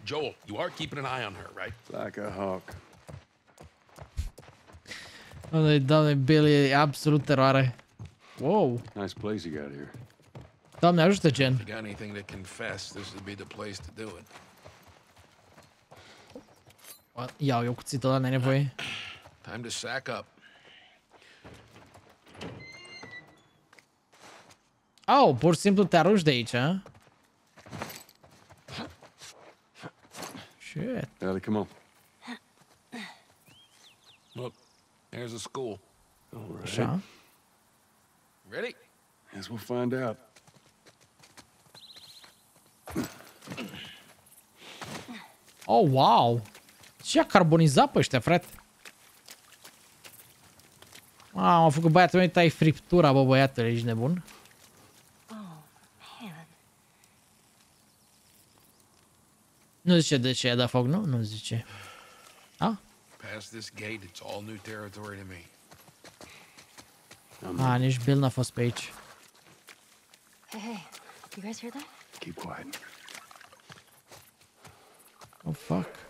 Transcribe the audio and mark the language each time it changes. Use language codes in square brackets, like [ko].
[en] Joel, you are keeping an eye on her, right? Like a hawk. [ro] Doamne, Billy, e absolut eroare. Whoa. [en] Nice place you got here. [ro] Doamne, ajută, Jen. [en] If you got anything to confess, this would be the place to do it. What? [ro] Ia, eu cuțitul ăla, n-ai nevoie. [en] Time to sack up. [ro] Au, oh, pur și simplu te arunci de aici, a? [en] Shit. Ellie, come on. Look, there's a school. All right. Sean? Ready? Guess we'll find out. Oh, wow. [ro] Ce-a carbonizat pe ăștia, frate? Ah, m-a făcut băiatul meu, tai friptura, bă, băiatul, ești nebun. Nu zice de ce i-a dat foc, nu? Nu zice. A? [en] Past this gate, it's all new territory to me. [ro] A, nici Bill n-a fost pe aici. [en] Hey, you guys hear that? Keep quiet. Oh, fuck.